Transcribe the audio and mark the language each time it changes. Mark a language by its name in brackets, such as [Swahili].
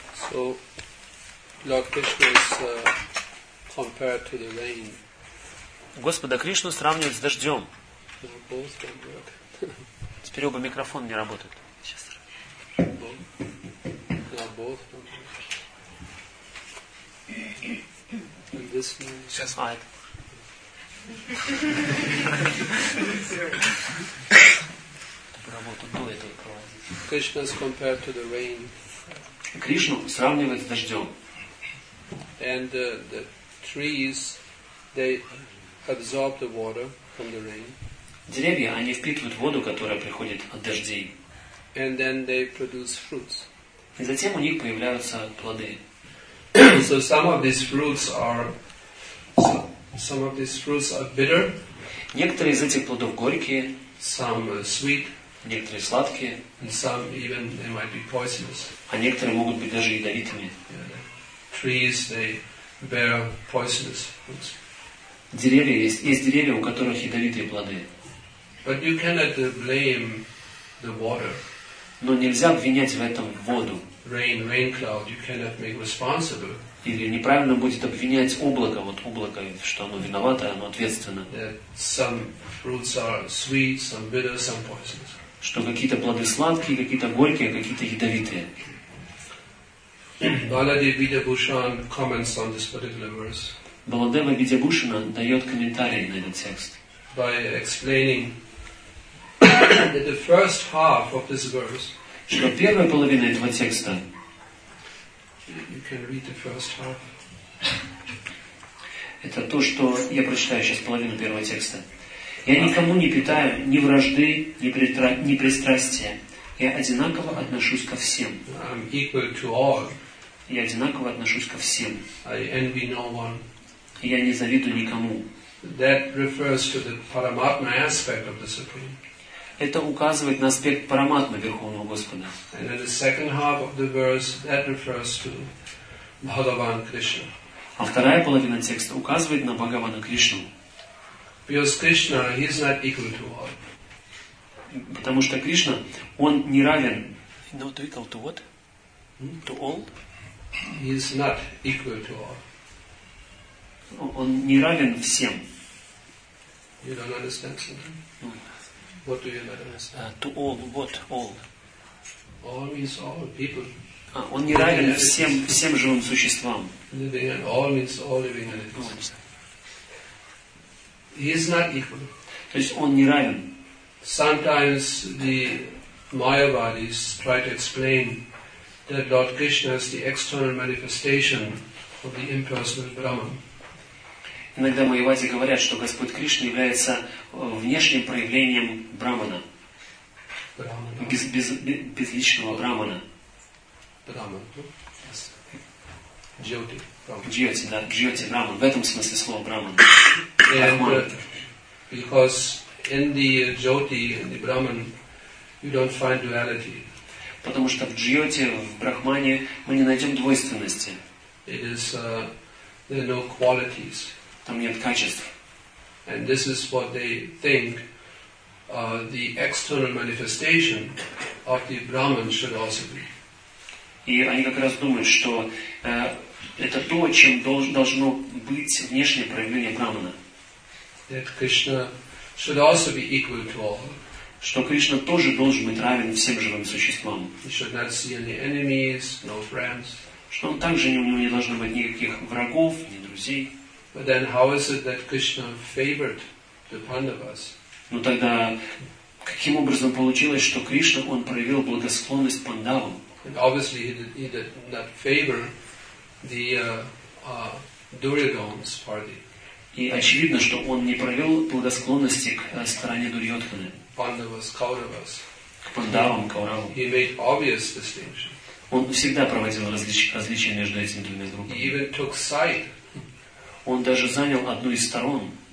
[English] So, Lord Krishna is compared to the rain. [Russian] Господа Кришну сравнивают с дождем. [English] No, both don't work. [Russian] Теперь оба микрофона не работают. Сейчас. [English] No, both don't work. And this one. [Russian] Сейчас. А, это. Работу до этого проводить. [English] Krishna is compared to the rain. [Russian] Кришну сравнивает с дождем. [English] And the trees, they absorb the water from the rain. [Russian] Деревья, они впитывают воду, которая приходит от дождей. [English] And then they produce fruits. [Russian] И затем у них появляются плоды. [English] So some of these fruits are some of these fruits are bitter. [Russian] Некоторые из этих плодов горькие. [English] Some sweet. [Russian] Некоторые сладкие. [English] And some even they might be poisonous. [Russian] А некоторые могут быть даже ядовитыми. [English] Yeah, the trees they bear poisonous fruits. [Russian] Деревья есть деревья, у которых ядовитые плоды. [English] But you cannot blame the water. [Russian] Но нельзя обвинять в этом воду. [English] Rain cloud, you cannot make responsible. [Russian] Или неправильно будет обвинять облако, вот облако, что оно виновато, оно ответственно. [English] Some fruits are sweet, some bitter, some poisonous. [Russian] Что какие-то плоды сладкие, какие-то горькие, какие-то ядовитые. [English] Баладева Видьябхушан comments on this particular verse. [Russian] Баладева Видьябхушана дает комментарий на этот текст. [English] By explaining that the first half of this verse. [Russian] Что первая половина этого текста. [English] You can read the first half. [Russian] Это то, что я прочитаю сейчас половину первого текста. Я никому не питаю ни вражды, ни пристрастия. Я одинаково отношусь ко всем. [English] I'm equal to all. [Russian] Я одинаково отношусь ко всем. [English] I envy no one. [Russian] Я не завидую никому. [English] That refers to the Paramatma aspect of the Supreme. [Russian] Это указывает на аспект Параматмы Верховного Господа. [English] And in the second half of the verse, that refers to Bhagavan Krishna. [Russian] А вторая половина текста указывает на Бхагавана Кришну. [English] Because Krishna, he is not equal to all. [Russian] Потому что Кришна, он не равен. [English] Not equal to what? To all? He is not equal to all. [Russian] Он не равен всем. [English] You don't understand something? What do you not understand? To all, what all? All means all people. [Russian] А, он не равен всем, всем живым существам. [English] Living and all means all living entities. He is not equal. [Russian] То есть он не равен. [English] Sometimes the Mayavadis try to explain that Lord Krishna is the external manifestation of the impersonal Brahman. [Russian] Иногда майявади говорят, что Господь Кришна является внешним проявлением Брахмана, безличного Брахмана. Брахман, Джьоти. Джьоти, да, Джьоти Брахман. В этом смысле слово Брахман. [English] Because in the Jyoti, in the Brahman, you don't find duality. [Russian] Потому что в Джьоти, в Брахмане, мы не найдем двойственности. [English] It is there are no qualities. [Russian] Там нет качеств. [English] And this is what they think the external manifestation of the Brahman should also be. [Russian] И они как раз думают, что это то, чем должно быть внешнее проявление Брахмана. [English] That Krishna should also be equal to all. [Russian] Что Кришна тоже должен быть равен всем живым существам. [English] He should not see any enemies, no friends. [Russian] Что он также у него не должно быть никаких врагов, ни друзей. [English] But then how is it that Krishna favored the Pandavas? [Russian] Ну тогда каким образом получилось, что Кришна он проявил благосклонность Пандавам? [English] And obviously he did not favor the Duryodhana's party. [Russian] И очевидно, что он не проявил благосклонности к стороне Дурьотханы. [English] Pandavas, Kauravas. [Russian] К Вриндаван, Каурава. [English] He made obvious distinction. [Russian] Он всегда проводил различия между этими двумя группами. [English] He even took side. [Russian] Он даже занял одну из сторон.